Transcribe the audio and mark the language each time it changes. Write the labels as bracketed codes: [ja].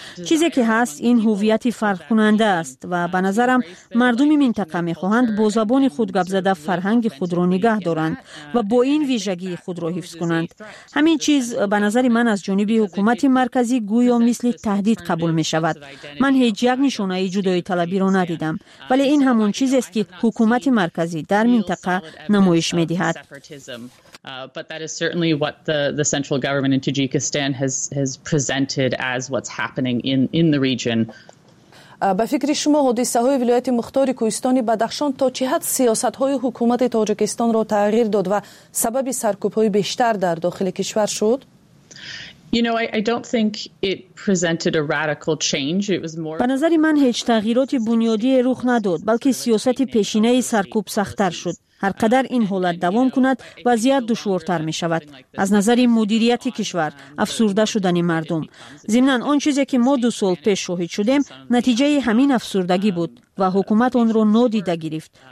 [fa] چیزی که هست این هویت فرق کننده است و به نظرم مردم منطقه می خواهند با زبان خود گپ زده فرهنگ خود را نگه دارند و با این ویژگی خود را حفظ کنند. همین چیز به نظر من از جانب حکومت مرکزی گویا مثل تهدید قبول می شود. من هیچ یک نشانه جدایی طلبی را ندیدم، ولی این همون چیزی است که حکومت مرکزی در منطقه نمایش می دهد. [en] But that is certainly what the central government in Tajikistan has presented as what's happening in the region. [fa] به فکر شما حادثه های ولایت مختار کوهستان بدخشان تا چه حد سیاست های حکومت تاجیکستان را تغییر داد و سبب سرکوب های بیشتر در داخل کشور شد؟ [en] I don't think it presented a radical change. It was more. [fa] به نظر من هیچ تغییراتی بنیادی رخ نداد، بلکه سیاست پیشینه سرکوب سخت‌تر شد. هر قدر این حالت دوام کند وضعیت دشوارتر می شود. از نظر مدیریت کشور، افسرده شدن مردم. ضمن آن چیزی که ما دو سال پیش شاهد شدیم، نتیجه همین افسردگی بود و حکومت آن را نادیده گرفت.